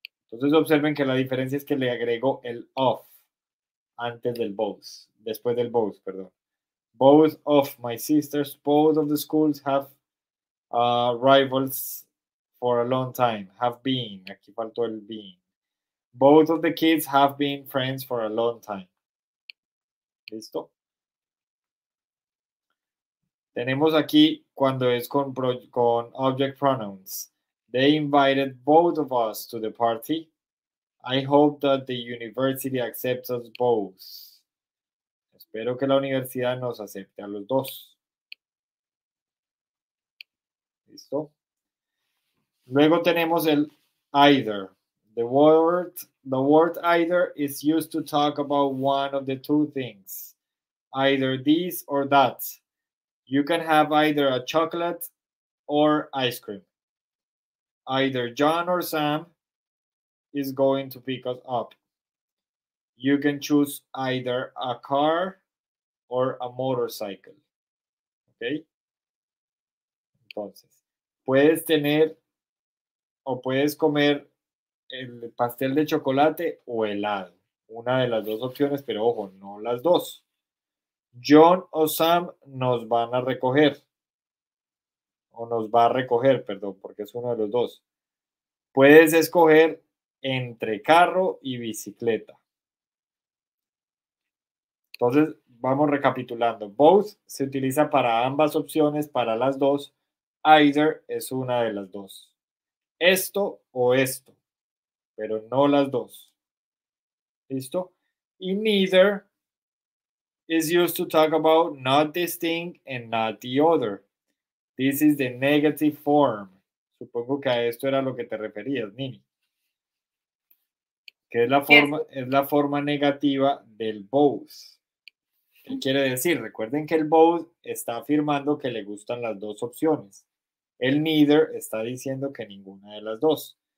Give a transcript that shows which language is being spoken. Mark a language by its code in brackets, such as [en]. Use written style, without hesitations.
[es] Entonces observen que la diferencia es que le agrego el of antes del both, después del both, perdón. [en] Both of my sisters, both of the schools have rivals for a long time, have been, [es] aquí faltó el been. [en] Both of the kids have been friends for a long time. ¿Listo? [es] Tenemos aquí cuando es con object pronouns. [en] They invited both of us to the party. I hope that the university accepts us both. [es] Espero que la universidad nos acepte a los dos. ¿Listo? Luego tenemos el either. [en] The word either is used to talk about one of the two things. Either this or that. You can have either a chocolate or ice cream. Either John or Sam is going to pick us up. You can choose either a car or a motorcycle. ¿Ok? [es] Entonces, puedes tener o puedes comer el pastel de chocolate o helado. Una de las dos opciones, pero ojo, no las dos. John o Sam nos van a recoger. O nos va a recoger, perdón, porque es uno de los dos. Puedes escoger entre carro y bicicleta. Entonces, vamos recapitulando. Both se utiliza para ambas opciones, para las dos. Either es una de las dos. Esto o esto, pero no las dos. ¿Listo? [en] Y neither is used to talk about not this thing and not the other. This is the negative form. [es] Supongo que a esto era lo que te referías, Nini. Que es la forma, yes. Es la forma negativa del both. ¿Qué quiere decir? Recuerden que el both está afirmando que le gustan las dos opciones. El neither está diciendo que ninguna de las dos.